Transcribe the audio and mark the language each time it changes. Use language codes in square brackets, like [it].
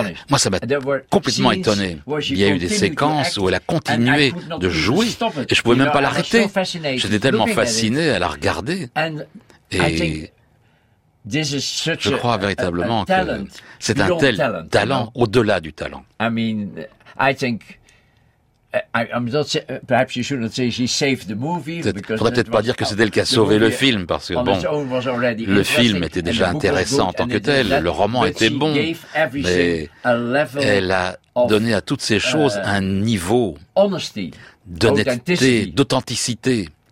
[fr] Moi, ça m'a complètement étonné. Il y a eu des séquences où elle a continué de jouer et je ne pouvais même pas l'arrêter. J'étais tellement fasciné à la regarder. Et je crois véritablement que c'est un tel talent au-delà du talent. [en] I mean, I think I'm not say, perhaps you shouldn't say she saved the movie. [fr] Il faudrait peut-être pas dire que c'est elle qui a sauvé le film, parce que bon, le film était déjà intéressant en tant que tel, le roman était bon, mais elle a donné à toutes ces choses un niveau d'honnêteté, d'authenticité.